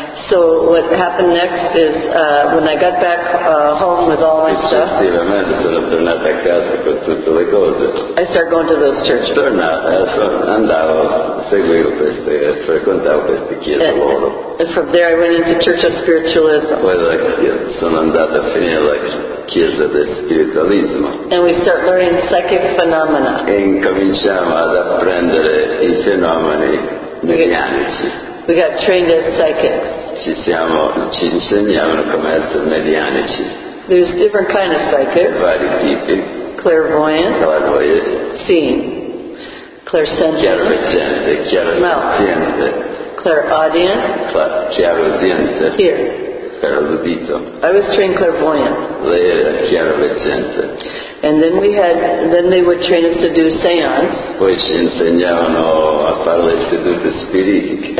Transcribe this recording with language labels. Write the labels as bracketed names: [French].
[English] So what happened next is when I got back home with all my stuff. [Italian] Successivamente sono tornato a casa con tutte le cose. [English] I started going to those churches. [Italian] Tornato, andavo, seguivo queste, frequentavo queste chiese loro. [English] And from there I went into church of spiritualism. [Italian] Poi sono andato a finire la chiesa del spiritualismo. [English] And we start learning psychic phenomena. [Italian] E incominciamo ad apprendere i fenomeni medianici. [English] We got trained as psychics. [Italian] Ci insegnavano come essere medianici. [English] There's different kinds of psychics. [Italian] Vari tipi. [English] Clairvoyant. Clairvoyant. Seeing. Clairsentient. [Italian] Chiaroveggente. Chiaroveggente. [English] Clairaudient. [Italian] Chiaroveggente. [English] Here. [Italian] Clairaudito. [English] I was trained clairvoyant. [Italian] Lei era chiaroveggente. [English] And then they would train us to do seance. [Italian] Poi ci insegnavano a fare le sedute spiritiche.